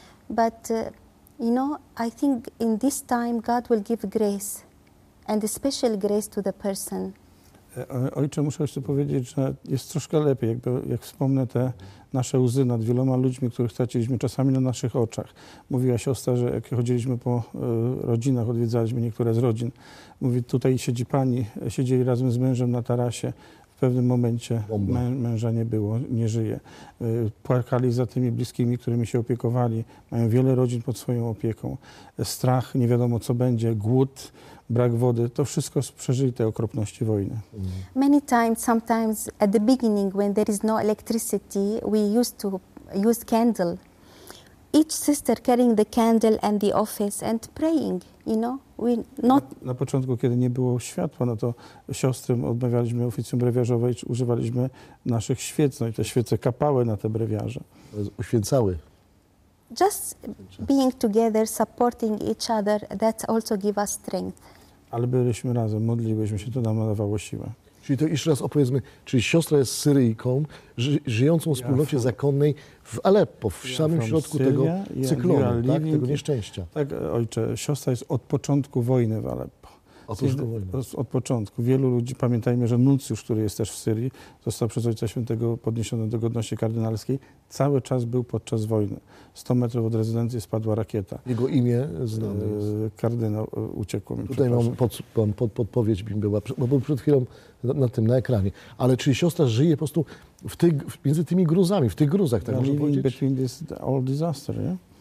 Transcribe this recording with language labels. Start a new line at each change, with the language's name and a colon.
English: But, you know, I think in this time God will give grace, and a special grace to the person.
Polish: Ojcze, muszę jeszcze powiedzieć, że jest troszkę lepiej, jak wspomnę te nasze łzy nad wieloma ludźmi, których straciliśmy czasami na naszych oczach. Mówiła siostra, że jak chodziliśmy po rodzinach, odwiedzaliśmy niektóre z rodzin. Mówi, tutaj siedzi pani, siedzieli razem z mężem na tarasie. W pewnym momencie męża nie było, nie żyje. Płakali za tymi bliskimi, którymi się opiekowali. Mają wiele rodzin pod swoją opieką. Strach, nie wiadomo co będzie, głód, brak wody, to wszystko przeżyli te okropności wojny.
English: Many times, sometimes at the beginning when there is no electricity, we used to use candle. Each sister carrying the candle and the office and praying, you know.
Polish: Na początku, kiedy nie było światła, no to siostrom odmawialiśmy oficjum brewiarzowe i używaliśmy naszych świec. No i te świece kapały na te brewiarze. Uświęcały.
English: Just being together, supporting each other, that also give us strength.
Polish: Ale byliśmy razem, modliłyśmy się, to nam dawało siłę. Czyli to jeszcze raz opowiedzmy, czyli siostra jest Syryjką, żyjącą w wspólnocie zakonnej w Aleppo, w samym środku tego cyklonu, tak, tego nieszczęścia. Tak, ojcze, siostra jest od początku wojny w Aleppo. Od początku. Wielu ludzi, pamiętajmy, że nuncjusz, który jest też w Syrii, został przez Ojca Świętego podniesiony do godności kardynalskiej, cały czas był podczas wojny. 100 metrów od rezydencji spadła rakieta. Jego imię znane jest. Kardynał uciekł mi. Tutaj mam podpowiedź, bym była, bo był przed chwilą na tym, na ekranie. Ale czy siostra żyje po prostu między tymi gruzami, w tych gruzach, tak można powiedzieć?
English: Between this all disaster, yeah?